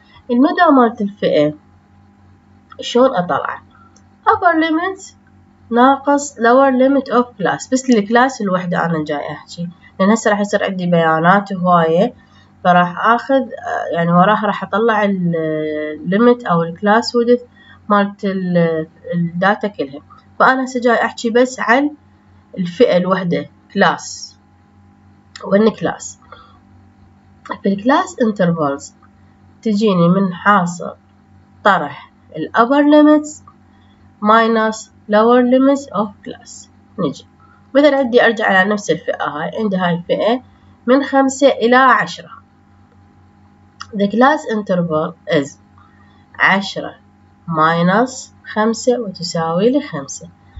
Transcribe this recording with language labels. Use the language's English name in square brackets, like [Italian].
[Arabic] المدى مالت الفئة شلون أطلع؟ أبر ليمتس ناقص [English] lower limit of class، [Arabic] بس للكلاس الوحدة أنا جاي أحكي، لأن هسه راح يصير عندي بيانات هواية، فراح أخذ يعني وراح راح أطلع limit أو class width مالت الداتا كلها، فأنا هسه جاي أحكي بس عن الفئة الوحدة class وإن class. في class intervals تجيني من حاصل طرح [English] upper limits minus lower limits of class. [Arabic] نجي مثلا عندي أرجع على نفس الفئة، هاي عندي هاي الفئة من 5 إلى 10. [English] The class interval is 10 minus 5 [Arabic] وتساوي لي 5.